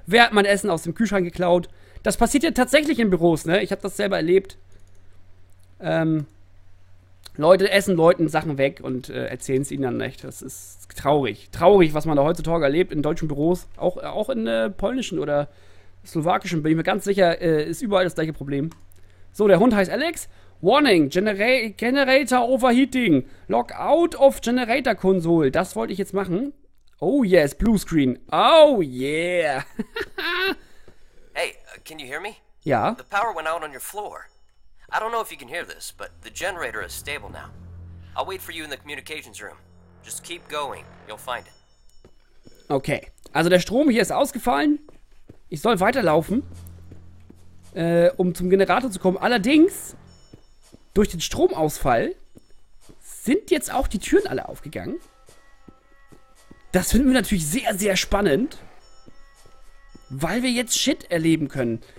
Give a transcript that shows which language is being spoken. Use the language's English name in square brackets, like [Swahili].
[German] Wer hat mein Essen aus dem Kühlschrank geklaut? Das passiert ja tatsächlich in Büros, ne? Ich habe das selber erlebt. Leute essen Leuten Sachen weg und erzählen es ihnen dann nicht. Das ist traurig. Traurig, was man da heutzutage erlebt in deutschen Büros. Auch in polnischen oder slowakischen, bin ich mir ganz sicher, ist überall das gleiche Problem. So, der Hund heißt Alex. [English] Warning, Generator overheating. Log out of Generator Console. [German] Das wollte ich jetzt machen. [English] Oh yes, Blue Screen. Oh yeah. Hey, can you hear me? [German] Ja. [English] The power went out on your floor. I don't know if you can hear this, but the generator is stable now. I'll wait for you in the communications room. Just keep going, you'll find it. [German] Okay, also der Strom hier ist ausgefallen. Ich soll weiterlaufen, um zum Generator zu kommen. Allerdings, durch den Stromausfall sind jetzt auch die Türen alle aufgegangen. Das finden wir natürlich sehr, sehr spannend. Weil wir jetzt Shit erleben können.